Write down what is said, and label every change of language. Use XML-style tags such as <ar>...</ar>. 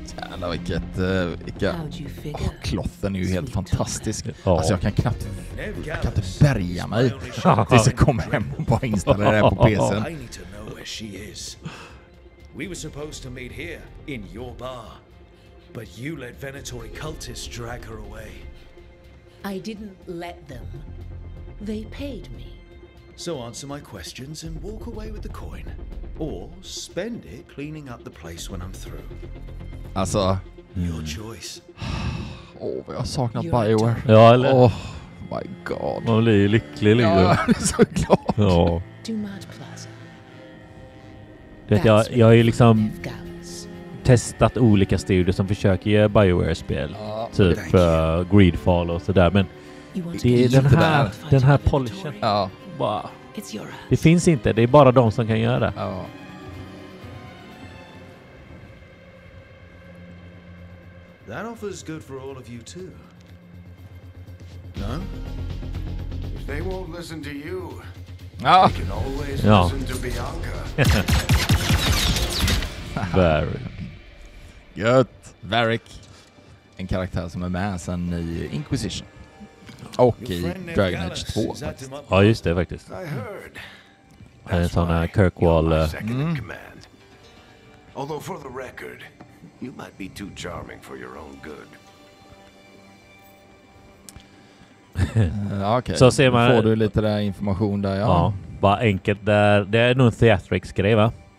<sv>Jävlar vilket klotten är ju helt fantastisk. Alltså jag kan inte bärga mig tills jag kommer hem och bara installerar det här på PC:n.</sv> <en>I need to know where she is. We were supposed to meet here in your bar, but you let Venatori cultists drag her away. I didn't let them. They paid me. So answer my questions and walk away with the coin or spend it cleaning up the place when I'm through. Alltså, your choice.</en> <sv>Åh, vad jag saknat Bioware. Ja, eller?</sv> <en>Oh my god.</en> <sv>Man blir ju lycklig lite. Ja, så glad. Ja. Vet, jag har ju liksom testat olika studier som försöker ge Bioware-spel. Typ Greedfall och sådär. Men det är den här polishen. Ja. Bara, det finns inte. Det är bara de som kan göra det. Ja.</sv> <en>That offer is good for all of you too. No? If they won't listen to you, they can always listen to Bianca. Very good. Varric.</en> <sv>En karaktär som är med sen i Inquisition. Och i Dragon Age 2. Ja, just det faktiskt. Han är en sån här Kirkwall.</sv> <en>Although for the record, you might be too charming for your own good.</en> <sv>Okej. Okay. Så ser man, får du lite där information där. Ja. bara enkelt där. Det är nog en theatrics-grej, va?</sv>